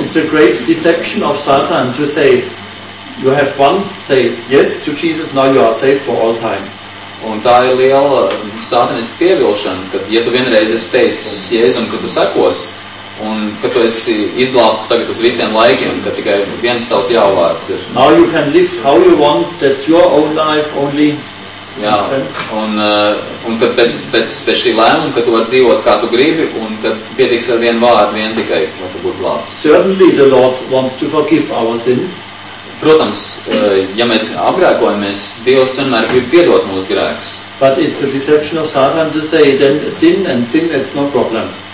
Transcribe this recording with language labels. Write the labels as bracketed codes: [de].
[en] It's a great deception of Satan to say, you have once said yes to Jesus, now you are saved for all time. [lv] Un tā ir liela sātaniska pievilšana, ka, ja tu vienreiz esi teicis Jēzum, ka tu sekos, un ka tu esi izglābts tagad uz visiem laikiem, ka tikai viens tavs jāvārds ir. [en] Now you can live how you want, that's your own life only. [lv] Jā, un ka pēc šī lēmuma, ka tu var dzīvot, kā tu gribi, un ka pietiks ar vienu vārdu, vien tikai, lai tu būtu glābts. [en] Certainly the Lord wants to forgive our sins. [lv] Protams, ja mēs apgrēkojamies, Dievs vienmēr grib piedot mūsu grēkus. [en] But it's a deception of Satan to say then sin and sin it's no problem.